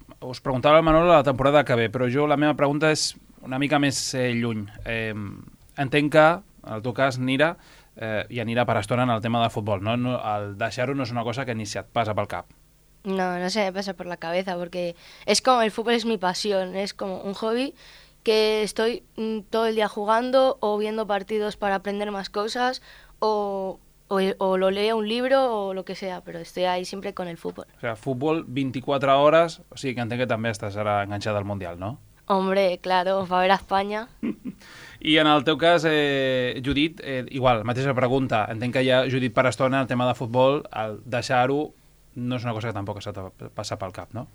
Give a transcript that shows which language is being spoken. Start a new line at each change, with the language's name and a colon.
Catalan: Us preguntava el Manolo la temporada que ve, però jo la meva pregunta és una mica més lluny. Entenc que, en el teu cas, Nira, i anirà per estona en el tema de futbol, no? El deixar-ho no és una cosa que ni se't passa pel cap.
Spanish: No se me pasa por la cabeza, porque es como el fútbol es mi pasión, es como un hobby que estoy todo el día jugando o viendo partidos para aprender más cosas o lo leo un libro o lo que sea, pero estoy ahí siempre con el fútbol. O sea, fútbol 24 horas, o sea,
Catalan: que entenc que també estàs ara enganxada al Mundial, ¿no?
Spanish: Hombre, claro, va a ver a España.
Catalan: I en el teu cas, Judit, igual, mateixa pregunta, entenc que ja, Judit, per estona, el tema de futbol, al deixar-ho, no és una cosa que tampoc s'ha passat pel cap, no?